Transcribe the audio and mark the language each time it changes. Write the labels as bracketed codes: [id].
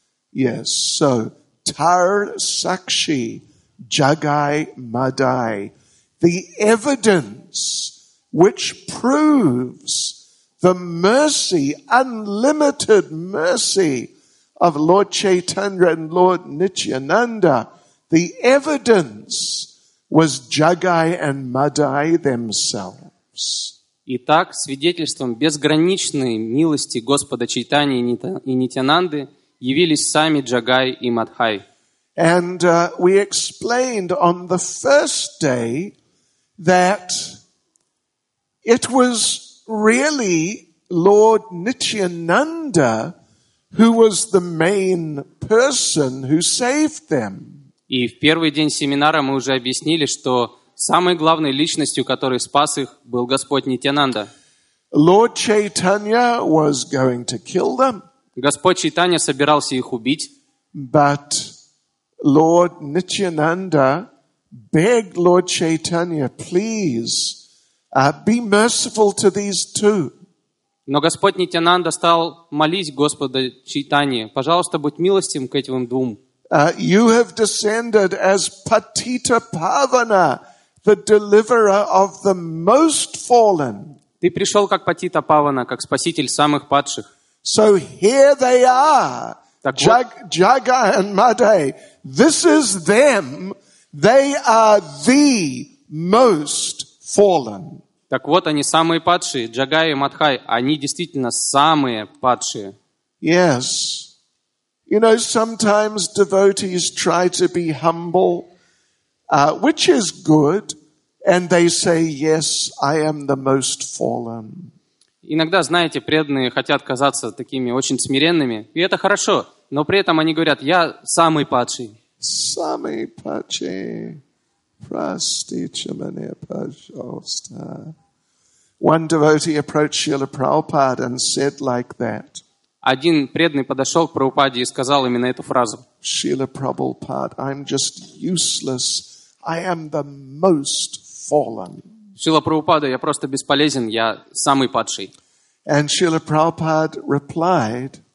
[en] Yes, so [bn] Tar Sakshi [en] Jagai Madai, the evidence which proves the mercy, unlimited mercy of Lord Chaitanya and Lord Nityananda, the evidence was Jagai and Madai themselves. [ru] Итак, свидетельством безграничной милости Господа Чайтани и Нитянанды явились сами Джагай и Мадхай. [en] And we explained on the first day that it was really Lord Nityananda who was the main person who saved them. [ru] И в первый день семинара мы уже объяснили, что самой главной личностью, который спас их, был Господь Нитянанда. [en] Lord Chaitanya was going to kill them. [ru] Господь Чайтанья собирался их убить. [en] But Lord Nityananda begged Lord Chaitanya, please, be merciful to these two. [ru] Но Господь Нитянанда стал молить Господа Чайтанья, пожалуйста, будь милостивым к этим двум. [en] You have descended as Patita Pavana, the deliverer of the most fallen. [ru] Ты пришел как Патита Павана, как спаситель самых падших. [en] So here they are, Jaga and Madai. This is them. They are the most fallen. [ru] Так вот, они самые падшие, Джага и Мадхай. Они действительно самые падшие. [en] Yes. You know, sometimes devotees try to be humble, which is good, and they say, yes, I am the most fallen. [ru] Иногда, знаете, преданные хотят казаться такими очень смиренными, и это хорошо, но при этом они говорят, я самый падший. Самый падший. Простите меня, пожалуйста. [en] One devotee approached Srila Prabhupada and said like that. [ru] Один преданный подошел к Прабхупаде и сказал именно эту фразу. [en] Srila Prabhupada, I'm just useless. I am the most fallen. [ru] Шрила Прабхупада, я просто бесполезен, я самый падший. [en] And Srila Prabhupada replied,